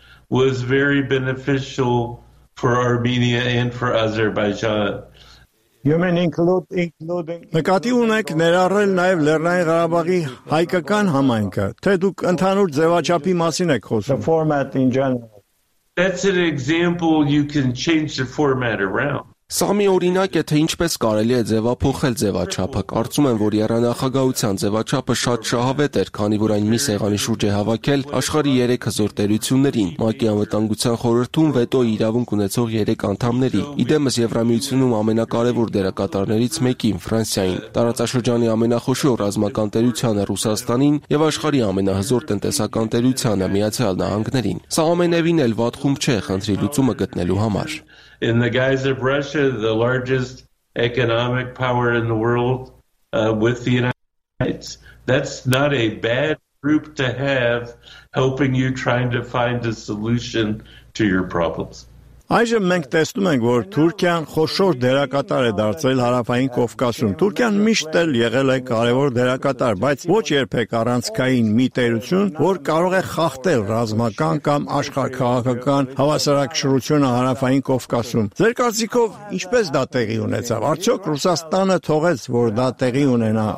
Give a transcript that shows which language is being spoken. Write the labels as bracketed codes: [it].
[en] was very beneficial for Armenia and for Azerbaijan. [hy] Նկատի ունեք ներառել նաև Լեռնային Ղարաբաղի հայկական համայնքը, թե դուք ընդհանուր ձևաչափի մասին եք խոսում։ [en] That's an example you can change the format around. [hy] Սա մի օրինակ է, թե ինչպես կարելի է ձևափոխել ձևաչափը։ Կարծում եմ, որ Եռանախագահության ձևաչափը շատ շահավետ էր, քանի որ այն մի սեղանի շուրջ է հավաքել աշխարհի 3 հզոր տերություններին՝ ՄԱԿ-ի անվտանգության խորհրդում վետոյի իրավունք ունեցող 3 անդամների, իդեմս Եվրամիությունում ամենակարևոր դերակատարներից մեկին՝ Ֆրանսիային, տարածաշրջանի ամենախոշոր ռազմական տերությանը՝ Ռուսաստանին, և աշխարհի ամենահզոր տնտեսական տերությանը՝ Միացյալ Նահանգներին։ Սա ամենևին էլ վատխում չէ խնդրի լուծումը գտնելու համար։ [en] In the guise of Russia, the largest economic power in the world, with the United States, that's not a bad group to have helping you trying to find a solution to your problems. [hy] Այժմ մենք տեսնում ենք, որ Թուրքիան խոշոր դերակատար է դարձել Հարավային Կովկասում։ Թուրքիան միշտ էլ եղել է կարևոր դերակատար, բայց ոչ երբեք առանցքային մի տերություն, որ կարող է խախտել ռազմական կամ աշխարհքաղաքական հավասարակշռությունը Հարավային Կովկասում։ Ձեր կարծիքով ինչպես դա տեղի ունեցավ։ Արդյոք Ռուսաստանը թողեց, որ դա տեղի ունենա